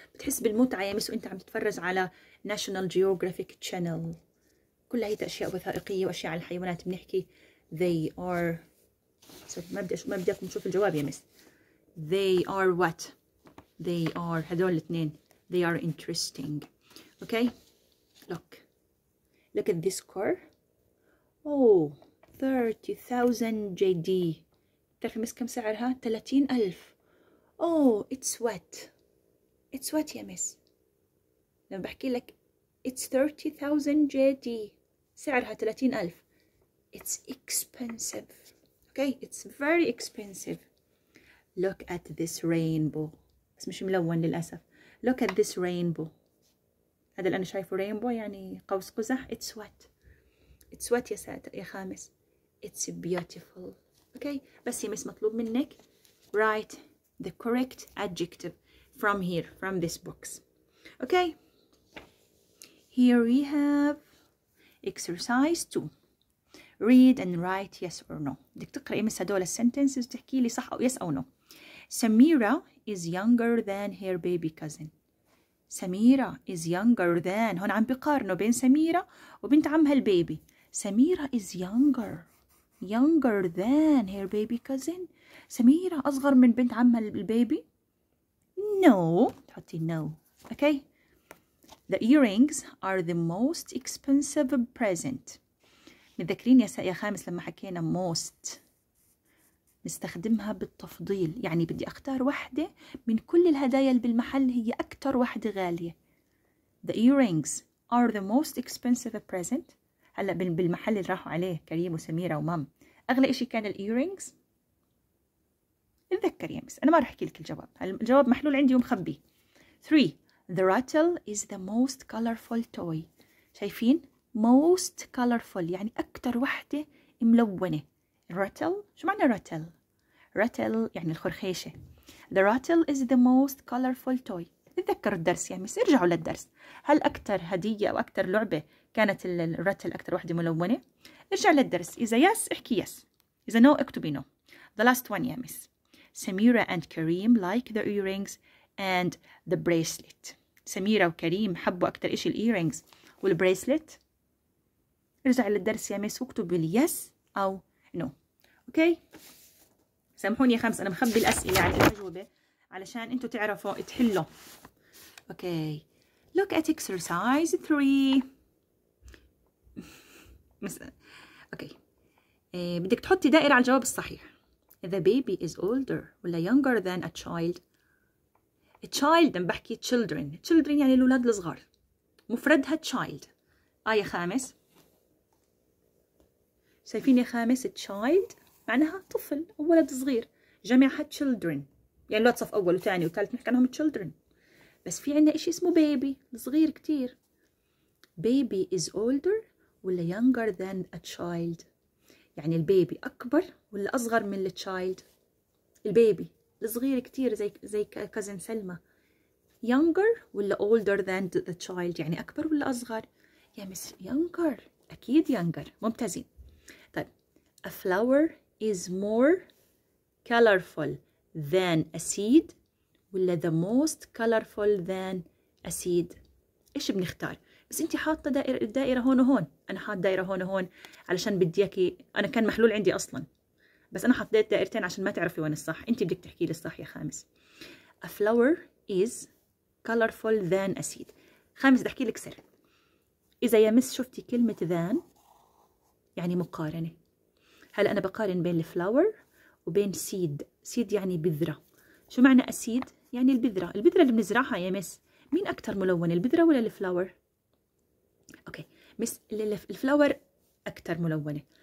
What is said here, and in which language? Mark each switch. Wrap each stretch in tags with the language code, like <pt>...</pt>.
<ar>بتحس بالمتعة يا مس وانت عم تتفرج على National Geographic Channel. كل هاي أشياء وثائقية وأشياء على الحيوانات. بنحكي</ar> <en>they are.</en> <ar>سوري ما بديكم نشوف الجواب يا مس.</ar> <en>They are what? They are.</en> <ar>هذول الاثنين.</ar> <en>They are interesting. Okay. Look. Look at this car.</en> <ar>Oh, 30,000 JD. تعرف مس كم سعرها؟ 30,000.</ar> <en>Oh, it's what? It's what,</en> <ar>يا مس؟ لما بحكي لك</ar> <en>it's 30,000 JD.</en> <ar>سعرها 30,000.</ar> <en>It's expensive. Okay, it's very expensive. Look at this rainbow.</en> <ar>بس مش ملون للأسف.</ar> <en>Look at this rainbow.</en> <ar>هذا اللي أنا شايفه rainbow يعني قوس قزح.</ar> <en>It's what? It's what,</en> <ar>يا ساتر يا خامس.</ar> <en>It's beautiful. Okay,</en> <ar>بس يا مس مطلوب منك</ar> <en>write the correct adjective from here, from this box. Okay, here we have exercise 2. Read and write yes or no.</en> <ar>بدك تقرأي مس هدول sentences وتحكي لي صح أو yes أو no.</ar> <en>Samira is younger than her baby cousin. Samira is younger than,</en> <ar>هون عم بقارنه بين سميرة وبنت عمها البيبي.</ar> <en>Samira is younger. Younger than her baby cousin.</en> <ar>Samira أصغر من بنت عمها البيبي.</ar> <en>No.</en> <ar>تحطي</ar> <en>no. Okay. The earrings are the most expensive present.</en> <ar>متذكرين يا خامس لما حكينا most. نستخدمها بالتفضيل. يعني بدي أختار واحدة من كل الهدايا اللي بالمحل هي أكتر واحدة غالية.</ar> <en>The earrings are the most expensive present.</en> <ar>هلا بالمحل اللي راحوا عليه كريم وسميرة ومام أغلى إشي كان الإيرينجز. اتذكر يا مس أنا ما راح أحكي لك الجواب, الجواب محلول عندي ومخبي. 3.</ar> <en>The rattle is the most colorful toy.</en> <ar>شايفين most colorful يعني أكتر وحدة ملونة. rattle شو معنى rattle؟ rattle يعني الخرخيشة.</ar> <en>The rattle is the most colorful toy.</en> <ar>تذكروا الدرس يا مس, ارجعوا للدرس. هل أكتر هدية أو أكتر لعبة كانت الرتل أكتر واحدة ملونة؟ ارجع للدرس. إذا يس احكي يس, إذا نو اكتبي نو.</ar> <en>The last one</en> <ar>يا مس.</ar> <en>Samira and Kareem like the earrings and the bracelet.</en> <ar>سميرة وكريم حبوا أكتر إشي الإيرينجز والبريسلت. ارجع للدرس يا مس واكتبي لي يس أو نو. أوكي سامحوني يا خمس أنا مخبي الأسئلة على الأجوبة علشان انتو تعرفوا تحلوا.</ar> <en>Okay, look at exercise 3.</en> <ar>مثلا. اوكي بدك تحطي دائرة على الجواب الصحيح.</ar> <en>The baby is older ولا younger than a child. A child</en> <ar>لما بحكي</ar> <en>children.</en> <ar>Children يعني الأولاد الصغار. مفردها child. آية خامس. شايفين يا خامس child معناها طفل أو ولد صغير. جمعها children. يعني الأولاد صف أول وثاني وثالث نحكي عنهم children. بس في عنا إشي اسمه baby. صغير كتير.</ar> <en>Baby is older ولا younger than a child.</en> <ar>يعني البيبي أكبر ولا أصغر من التشايلد؟ البيبي الصغير كتير زي كازن سلمة. younger ولا</ar> <en>older than the child؟</en> <ar>يعني أكبر ولا أصغر؟ يا مس younger أكيد younger. ممتازين. طيب</ar> <en>a flower is more colorful than a seed</en> <ar>ولا</ar> <en>the most colorful than a seed؟</en> <ar>إيش بنختار؟ بس انت حاطه الدائره هون وهون، انا حاطه دائره هون وهون علشان بدي اياكي. انا كان محلول عندي اصلا بس انا حطيت دائرتين عشان ما تعرفي وين الصح. انت بدك تحكي لي الصح يا خامس.</ar> <en>A flower is colorful than a seed.</en> <ar>خامس بدي احكي لك سر. اذا يا مس شفتي كلمه than يعني مقارنه. هلا انا بقارن بين الفلاور وبين سيد. سيد يعني بذره. شو معنى اسيد؟ يعني البذره. البذره اللي بنزرعها يا مس، مين اكثر ملونه، البذره ولا الفلاور؟ اوكي مس الفلاور اكثر ملونه.</ar>